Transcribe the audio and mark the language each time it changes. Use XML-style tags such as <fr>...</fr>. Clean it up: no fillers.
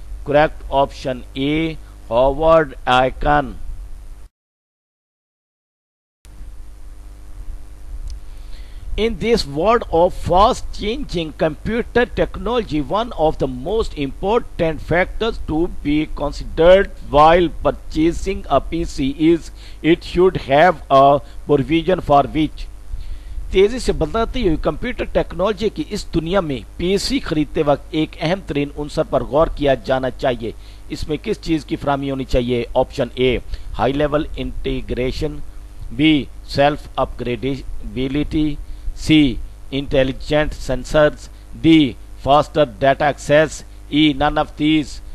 <en>Cricket option A Howard Aiken. In this world of fast changing computer technology, one of the most important factors to be considered while purchasing a PC is it should have a provision for which.</en> <ur>تیزی سے بدلتی ہوئی computer technology کی اس دنیا میں پی سی خریدتے وقت ایک اہم ترین عنصر پر غور کیا جانا چاہیے. اس میں کس چیز کی فراہمی ہونی چاہیے؟</ur> <en>Option A high level integration, B self upgradability, C intelligent sensors, D faster data access, E none of these.</en>